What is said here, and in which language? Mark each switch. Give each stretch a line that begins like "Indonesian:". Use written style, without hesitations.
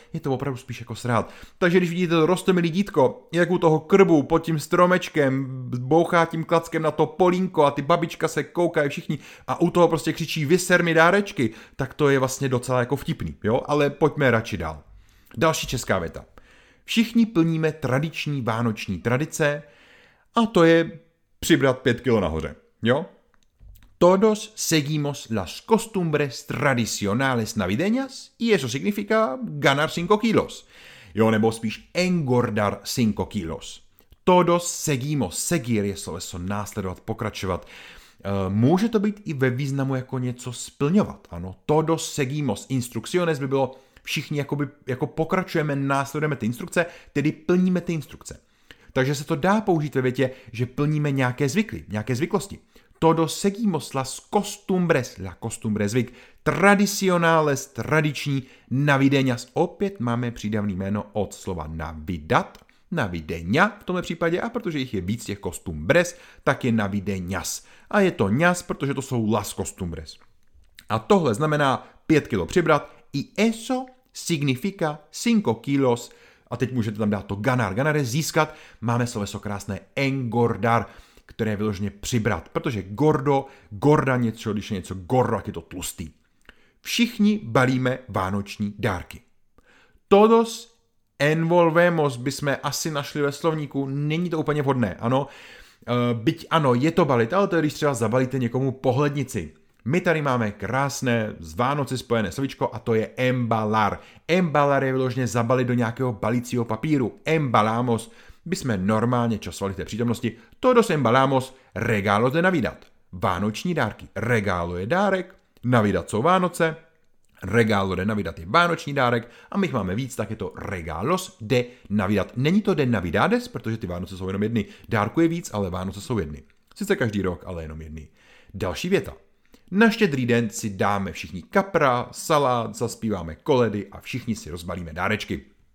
Czech: Je to opravdu spíš jako srát. Takže když vidíte to roztomilý dítko, jak u toho krbu pod tím stromečkem bouchá tím klackem na to polínko a ty babička se koukají všichni a u toho prostě křičí vyser mi dárečky, tak to je vlastně docela jako vtipný, jo? Ale pojďme radši dál. Další česká věta. Všichni plníme tradiční vánoční tradice a to je přibrat 5 kilo nahoře, jo?
Spanish: Todos seguimos las costumbres tradicionales navideñas y eso significa ganar 5 kilos.
Czech: Jo, nebo spíš
Spanish: engordar 5 kilos. Todos seguimos,
Czech: seguir je sloveso následovat, pokračovat. Může to být i ve významu jako něco splňovat, ano.
Spanish: Todos seguimos instrucciones
Czech: by bylo všichni jakoby, jako pokračujeme, následujeme ty instrukce, tedy plníme ty instrukce. Takže se to dá použít ve větě, že plníme nějaké zvyky, nějaké zvyklosti.
Spanish: Todo seguimos las costumbres, la costumbre
Czech: zvyk,
Spanish: tradicionales,
Czech: tradiční,
Spanish: navideñas.
Czech: Opět máme přídavné jméno od slova navidat, navideña v tomhle případě, a protože jich je víc těch costumbres, tak je navideñas. A je to ňas, protože to jsou las costumbres. A tohle znamená 5 kilo přibrat,
Spanish: i eso significa 5 kilos.
Czech: A teď můžete tam dát to ganar. Ganar je získat. Máme sloveso krásné engordar, které je vyloženě přibrat. Protože gordo, gorda něco, když je něco gordo, tak je to tlustý. Všichni balíme vánoční dárky.
Spanish: Todos envolvemos
Czech: bychom asi našli ve slovníku. Není to úplně vhodné, ano. Byť ano, je to balit, ale to je, když třeba zabalíte někomu pohlednici. My tady máme krásné z Vánoce spojené slovíčko a to je embalar. Embalar je vyloženě zabalit do nějakého balicího papíru. Embalamos by jsme normálně časovali té přítomnosti.
Spanish: Todos embalamos regalo de Navidad.
Czech: Vánoční dárky. Regalo je dárek, Navidad jsou Vánoce.
Spanish: Regalo de Navidad
Czech: je vánoční dárek a my jich máme víc, tak je to
Spanish: regalos de Navidad.
Czech: Není to de Navidades, protože ty Vánoce jsou jenom jedny. Dárku je víc, ale Vánoce jsou jedny. Sice každý rok, ale jenom jedny. Další věta. Na Štědrý den si dáme všichni kapra, salát, zaspíváme koledy a všichni si rozbalíme dárečky.